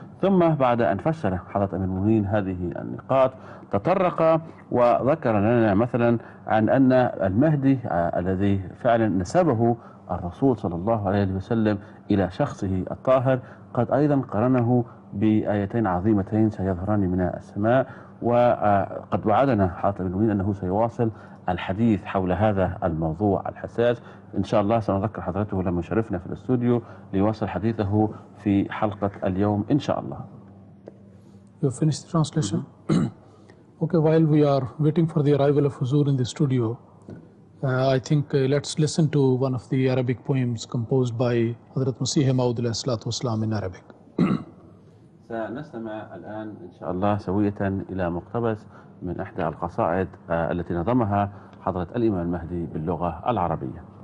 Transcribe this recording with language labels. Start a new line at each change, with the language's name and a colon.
Arabic: ثم بعد أن فسر حضرة أمير المؤمنين هذه النقاط تطرق وذكر لنا مثلا عن أن المهدي الذي فعلا نسبه الرسول صلى الله عليه وسلم إلى شخصه الطاهر قد أيضا قرنه بآيتين عظيمتين سيظهران من السماء, وقد وعدنا حضرة أمير المؤمنين أنه سيواصل الحديث حول هذا الموضوع الحساس. إن شاء الله سنذكر حضرته لما شرفنا في الاستوديو ليواصل حديثه في حلقة اليوم إن شاء الله.
English: You have finished the translation? Mm-hmm. Okay, while we are waiting for the arrival of Huzoor in the studio, I think let's listen to one of the Arabic poems composed by Hazrat Masih Maud alayhi salatu wasalam in Arabic.
Arabic: سنستمع الآن إن شاء الله سوية إلى مقتبس من إحدى القصائد التي نظمها حضرة الإمام المهدي باللغة العربية.